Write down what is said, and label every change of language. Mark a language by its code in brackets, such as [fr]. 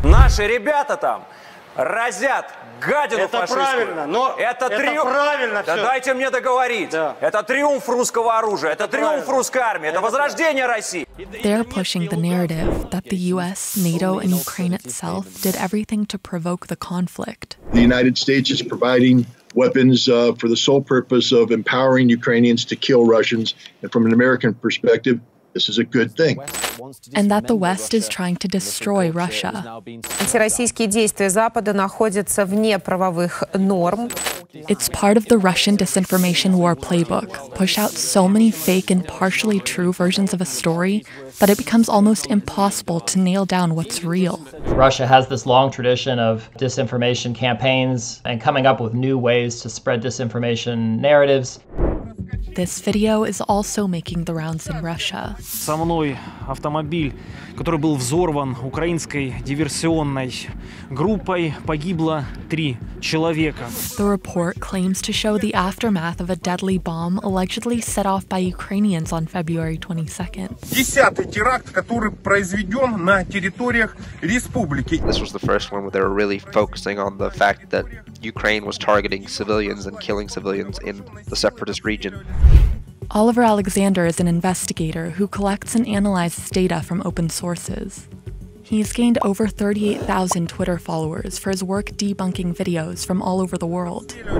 [ru] Наши ребята там разят гадину фашистскую. Это правильно, но это правильно все. Да дайте мне договорить. Это триумф русского оружия, это триумф русской армии, это возрождение России. [en] They're pushing the narrative that the US, NATO, and Ukraine itself did everything to provoke the conflict. The United States is providing weapons for the sole purpose of empowering Ukrainians to kill Russians. And from an American perspective, This is a good thing. And that the West is trying to destroy Russia. [ru] Антироссийские действия Запада находятся вне правовых норм. [en] It's part of the Russian disinformation war playbook. Push out so many fake and partially true versions of a story that it becomes almost impossible to nail down what's real. Russia has this long tradition of disinformation campaigns and coming up with new ways to spread disinformation narratives. This video is also making the rounds in Russia. [ru] Со мной автомобиль, который был взорван украинской диверсионной группой, погибло три человека. [en] The report claims to show the aftermath of a deadly bomb allegedly set off by Ukrainians on February 22nd. [ru] Десятый теракт, который произведен на территориях республики. [en] This was the first one where they were really focusing on the fact that Ukraine was targeting civilians and killing civilians in the separatist region. Oliver Alexander is an investigator who collects and analyzes data from open sources. He's gained over 38,000 Twitter followers for his work debunking videos from all over the world.